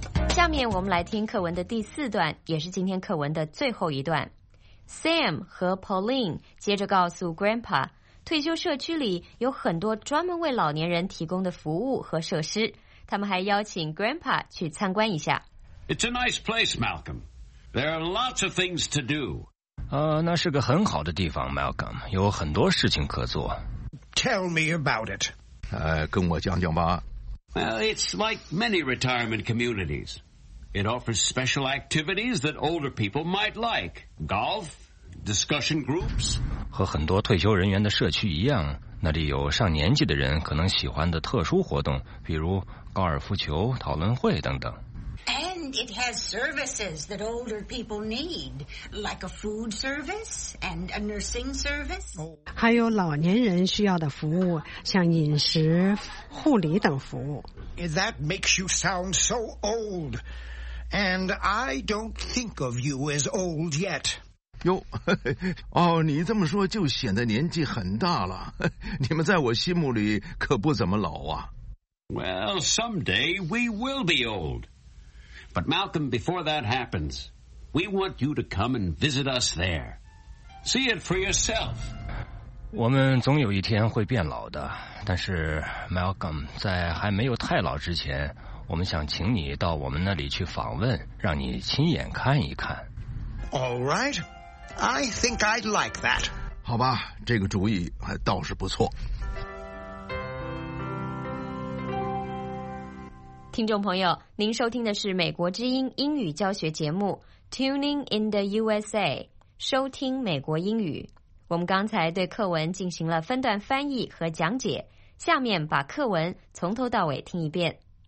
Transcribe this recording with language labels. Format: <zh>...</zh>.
<zh>下面我们来听课文的第四段，也是今天课文的最后一段。 Sam 和 Pauline 接着告诉 Grandpa， 退休社区里有很多专门为老年人提供的服务和设施，他们还邀请 Grandpa 去参观一下。</zh> <en>It's a nice place, Malcolm. There are lots of things to do.</en> <zh>那是个很好的地方 ，Malcolm， 有很多事情可做。</zh> <en>Tell me about it.</en> <zh>跟我讲讲吧。</zh> <en>Well, it's like many retirement communities. It offers special activities that older people might like. Golf, discussion groups.</en> <zh>和很多退休人员的社区一样，那里有上年纪的人可能喜欢的特殊活动，比如高尔夫球、讨论会等等。</zh> <en>And it has services that older people need, like a food service and a nursing service.</en> <zh>还有老年人需要的服务，像饮食、护理等服务。</zh> <en>That makes you sound so old. And I don't think of you as old yet.</en> <zh>哟，哦，你这么说就显得年纪很大了。你们在我心目里可不怎么老啊。</zh> <en>Well, someday we will be old. But Malcolm, before that happens, we want you to come and visit us there. See it for yourself.</en> <zh>我们总有一天会变老的，但是 Malcolm, 在还没有太老之前，我们想请你到我们那里去访问，让你亲眼看一看。</zh> <en>All right, I think I'd like that.</en> <zh>好吧，这个主意倒是不错。听众朋友，您收听的是美国之音英语教学节目 Tuning in the USA，收听美国英语。我们刚才对课文进行了分段翻译和讲解，下面把课文从头到尾听一遍。</zh>